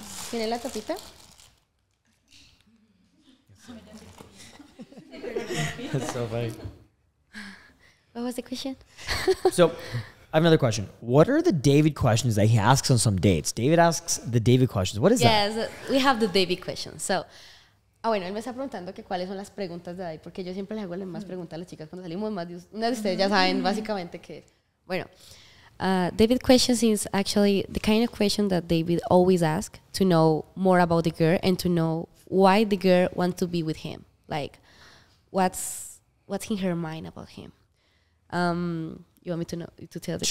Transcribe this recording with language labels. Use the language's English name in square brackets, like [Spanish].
[Spanish] ¿Tiene la tapita? [English] That's so funny. What was the question? So, I have another question. What are the David questions that he asks on some dates? David asks the David questions. What is that? Yes, we have the David questions. [Spanish] So, ah, bueno, él me está preguntando que cuáles son las preguntas de David, porque yo siempre les hago las más preguntas a las chicas cuando salimos, más de ustedes ya saben básicamente que... [English] Bueno, David questions is actually the kind of question that David always asks to know more about the girl and to know why the girl wants to be with him. Like, what's in her mind about him? You want me to know to tell the